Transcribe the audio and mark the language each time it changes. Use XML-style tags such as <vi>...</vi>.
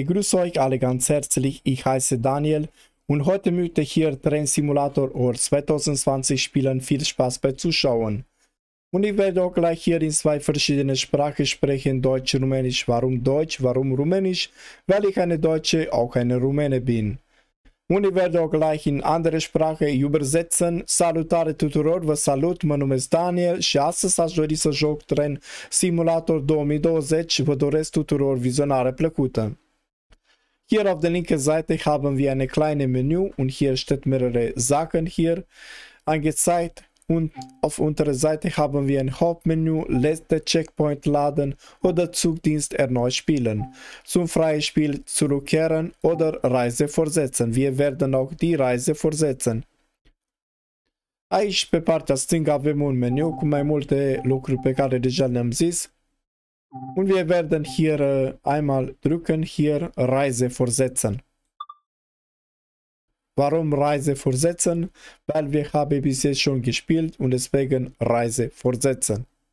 <de>Ich grüße euch alle ganz herzlich. Ich heiße Daniel und heute möchte ich hier Train Simulator Or 2020 spielen. Viel Spaß beim Zuschauen. Und ich werde auch gleich hier in zwei verschiedenen Sprachen sprechen: Deutsch, Rumänisch. Warum Deutsch? Warum Rumänisch? Weil ich eine Deutsche, auch eine Rumäne bin. Und ich werde auch gleich in andere Sprache übersetzen.</de> <ro>Salutare tuturor, vă salut, mă numesc Daniel și astăzi aș dori să joc Train Simulator 2020. Vă doresc tuturor vizionare plăcută.</ro> <de>Hier auf der linken Seite haben wir eine kleine Menü und hier steht mehrere Sachen hier angezeigt. Und auf unserer Seite haben wir ein Hauptmenü, letzte Checkpoint laden oder Zugdienst erneut spielen, zum freien Spiel zurückkehren oder Reise fortsetzen. Wir werden auch die Reise fortsetzen.</de> <ro>Aici, pe partea stângă, avem un meniu cu mai multe lucruri pe care deja le-am zis.</ro> <de>Und wir werden hier einmal drücken, hier Reise fortsetzen. Warum Reise fortsetzen? Weil wir haben bis jetzt schon gespielt und deswegen Reise fortsetzen.</de>